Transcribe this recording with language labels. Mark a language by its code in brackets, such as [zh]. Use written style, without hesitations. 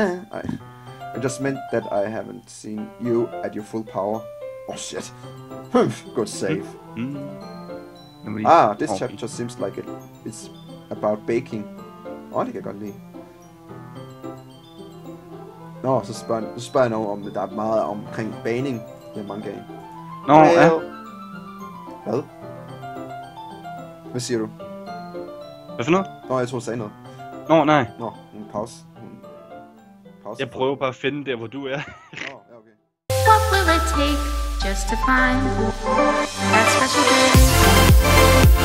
[en] I just meant that I haven't seen you at your full power. Oh shit. Good save. Ah, this chapter just seems like it's about baking. Oh, I think I got Lee. [da] Nå, så spørger jeg noget om, der er meget omkring baning i en mangaen. Nå, ja. Hvad? Hvad siger du? Hvad for noget? Nå, jeg tror, du sagde noget. Nå, nej. Nå, en pause. Jeg prøver bare at finde der, hvor du er. Nå, ja, okay. [en] What will it take just to find that special day?